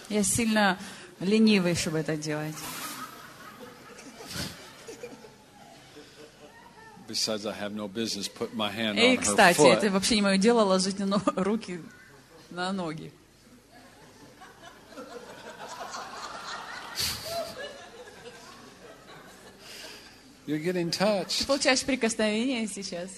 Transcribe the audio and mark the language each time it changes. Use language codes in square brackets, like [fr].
[ru] Я сильно ленивый, чтобы это делать. [en] Besides, I have no business putting my hand on her foot. [ru] Кстати, это вообще не мое дело ложить руки на ноги. [en] You're getting touched. [ru] Ты получаешь прикосновение сейчас.